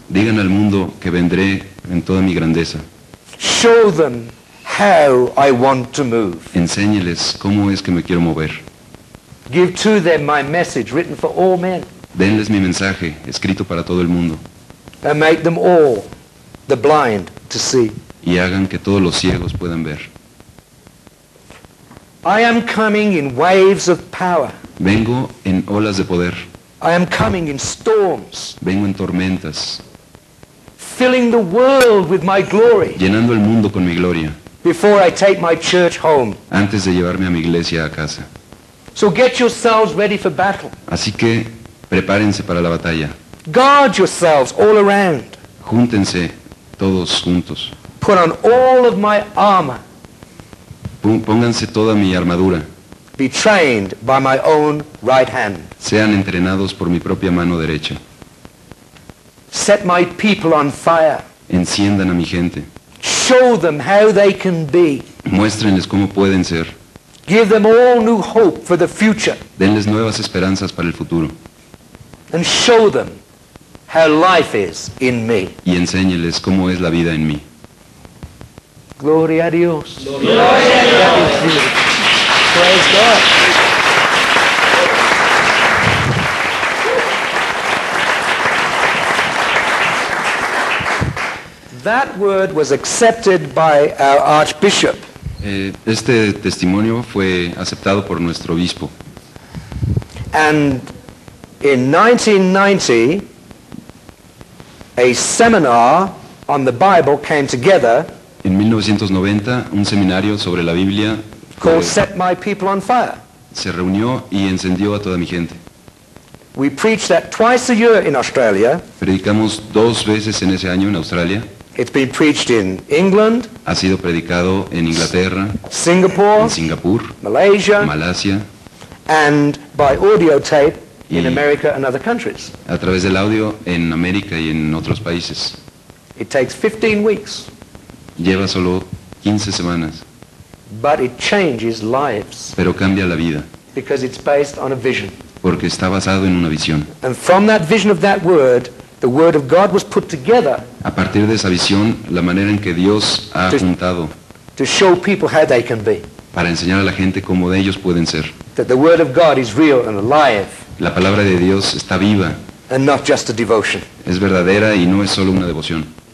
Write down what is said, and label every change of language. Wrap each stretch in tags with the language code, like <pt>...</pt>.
<es>Digan al mundo que vendré en toda mi grandeza.</es> <en>Show them how I want to move.</en> <es>Enséñeles cómo es que me quiero mover.</es> <en>Give to them my message written for all men.</en> <es>Denles mi mensaje escrito para todo el mundo.</es> <en>And make them all the blind to see.</en> <es>Y hagan que todos los ciegos puedan ver.</es> <en>I am coming in waves of power.</en> <es>Vengo en olas de poder.</es> <en>I am coming in storms.</en> <es>Vengo en tormentas.</es> <en>Filling the world with my glory.</en> <es>Llenando el mundo con mi gloria.</es> <en>Before I take my church home.</en> <es>Antes de llevarme a mi iglesia a casa.</es> <en>So get yourselves ready for battle.</en> <es>Así que prepárense para la batalla.</es> <en>Guard yourselves all around.</en> <es>Júntense todos juntos.</es> <en>Put on all of my armor.</en> <es>Pónganse toda mi armadura.</es> <en>Be trained by my own right hand.</en> <es>Sean entrenados por mi propia mano derecha.</es> <en>Set my people on fire.</en> <es>Enciendan a mi gente.</es> <en>Show them how they can be.</en> <es>Muéstrenles cómo pueden ser.</es> <en>Give them all new hope for the future.</en> <es>Denles nuevas esperanzas para el futuro.</es> <en>And show them how life is in me.</en> <es>Y enséñeles cómo es la vida en mí. Gloria a Dios. Gloria a Dios.</es> <en>Praise God. That word was accepted by our archbishop.</en> <es>Este testimonio fue aceptado por nuestro obispo.</es> <en>And in 1990, a seminar on the Bible came together.</en> <es>En 1990, un seminario sobre la Biblia.</es> <en>Called Set My People on Fire.</en> <es>Se reunió y encendió a toda mi gente.</es> <en>We preach that twice a year in Australia.</en> <es>Predicamos dos veces en ese año en Australia.</es> <en>It's been preached in England.</en> <es>Ha sido predicado en Inglaterra.</es> <en>Singapore.</en> <es>En Singapur.</es> <en>Malaysia.</en> <es>Malasia.</es> <en>And by audio tape in America and other countries.</en> <es>A través del audio en América y en otros países.</es> <en>It takes 15 weeks.</en> <es>Lleva solo 15 semanas.</es> <en>But it changes lives.</en> <es>Pero cambia la vida.</es> <en>Because it's based on a vision.</en> <es>Porque está basado en una visión.</es> <en>And from that vision of that word, the word of God was put together.</en> <es>A partir de esa visión, la manera en que Dios ha juntado.</es> <en>To show people how they can be.</en> <es>Para enseñar a la gente cómo de ellos pueden ser.</es> <en>That the word of God is real and alive.</en> <es>La palabra de Dios está viva.</es> <en>And not just a devotion.</en> <es>Es verdadera y no es solo una devoción.</es>